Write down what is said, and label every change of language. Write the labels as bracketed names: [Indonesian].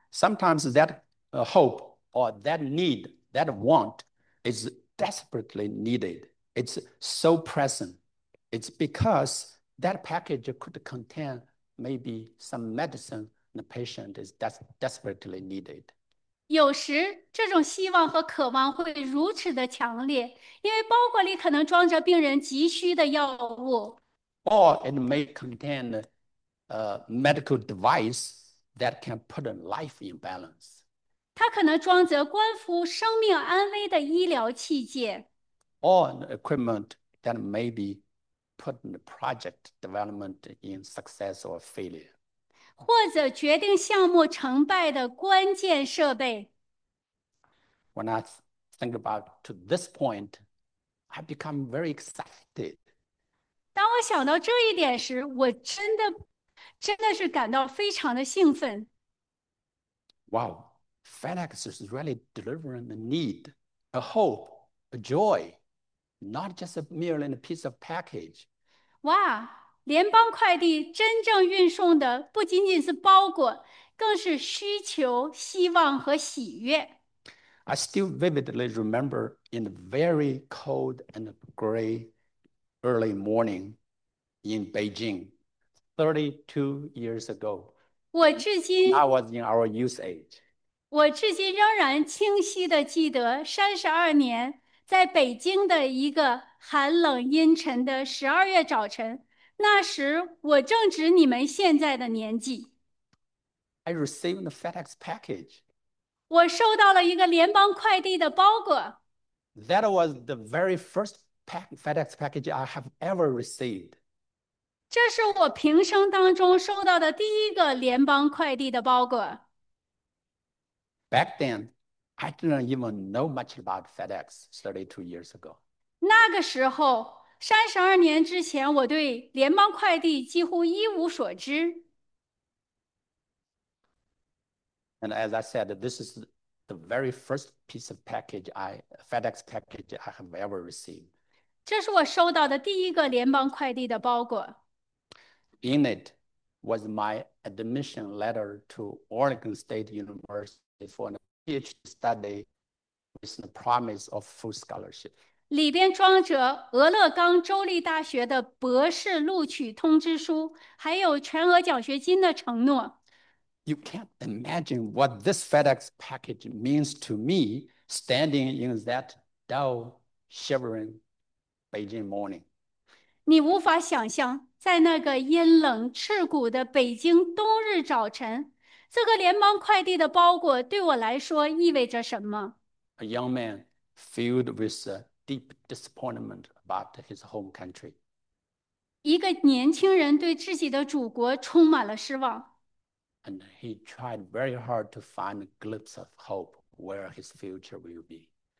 [English] Sometimes that hope or that need, that want is desperately needed. It's so present. It's because that package could contain maybe some medicine the patient is desperately needed. [Chinese] 有时这种希望和渴望会如此的强烈，因为包裹里可能装着病人急需的药物。 [English] Or it may contain a medical device that can put a life in balance. [Chinese] 它可能装着关乎生命安危的医疗器械。 [English] Or an equipment that may be put in the project development in success or failure. [Chinese] 或者决定项目成败的关键设备。 [English] When I think about to this point, I become very excited. [Chinese] 当我想到这一点时，我真的是感到非常的兴奋。 [English] Wow, FedEx is really delivering a need, a hope, a joy. Not just merely a piece of package. [Chinese] 哇，联邦快递真正运送的不仅仅是包裹，更是需求、希望和喜悦。 [English] I still vividly remember in the very cold and gray early morning in Beijing, 32 years ago. I was in our youth age. [Chinese] 我至今仍然清晰地记得32年。在北京的一个寒冷阴沉的12月早晨，那时我正值你们现在的年纪。 [English] I received the FedEx package. [Chinese] 我收到了一个联邦快递的包裹。 [English] That was the very first FedEx package I have ever received. [Chinese] 这是我平生当中收到的第一个联邦快递的包裹。 [English] Back then, I didn't even know much about FedEx 32 years ago. [Chinese] 那个时候，32年之前，我对联邦快递几乎一无所知。 [English] And as I said, this is the very first piece of package FedEx package I have ever received. [Chinese] 这是我收到的第一个联邦快递的包裹。 [English] In it was my admission letter to Oregon State University for a PhD study with the promise of full scholarship. [Chinese] 里边装着俄勒冈州立大学的博士录取通知书，还有全额奖学金的承诺。 [English] You can't imagine what this FedEx package means to me standing in that dull, shivering Beijing morning. [Chinese] 你无法想象，在那个阴冷彻骨的北京冬日早晨，这个联邦快递的包裹对我来说意味着什么？ [English] A young man filled with a deep disappointment about his home country. [Chinese] 一个年轻人对自己的祖国充满了失望。 [English] And he tried very hard to find a glimpse of hope where his future will be.